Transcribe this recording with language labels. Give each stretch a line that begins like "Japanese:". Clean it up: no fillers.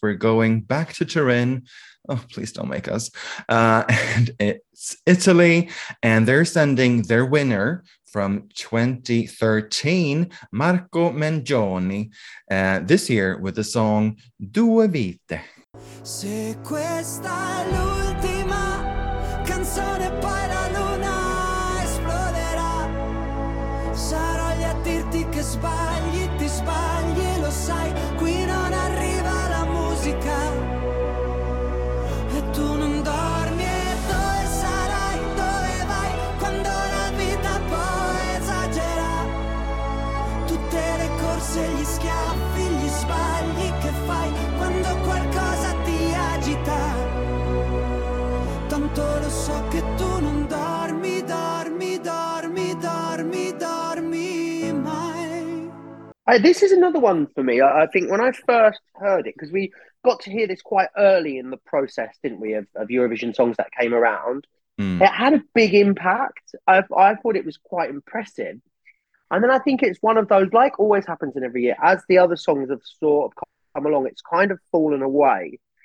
English: We're going back to Turin. Oh, please don't make us. And it's Italy, and they're sending their winner from 2013, Marco Mengoni, this year with the song Due Vite.
Italian: Se questa è l'ultima canzone, poi la luna esploderà. Sarò lì a dirti che sbagli, ti sbagli, lo sai. Qui non arriva la musica. E tu non dormi, e dove sarai, dove vai? Quando la vita poi esagera. Tutte le corse, gli schiaffi, gli sbagli che fai. Quando qualcosa ti agita, tanto lo so che tu non dormi, dormi, dormi, dormi, dormi mai.
English: This is another one for me. I think when I first heard it, because we got to hear this quite early in the process, didn't we, of Eurovision songs that came around. Mm. It had a big impact. I thought it was quite impressive. And then I think it's one of those, like always happens in every year, as the other songs have sort of come along, it's kind of fallen away.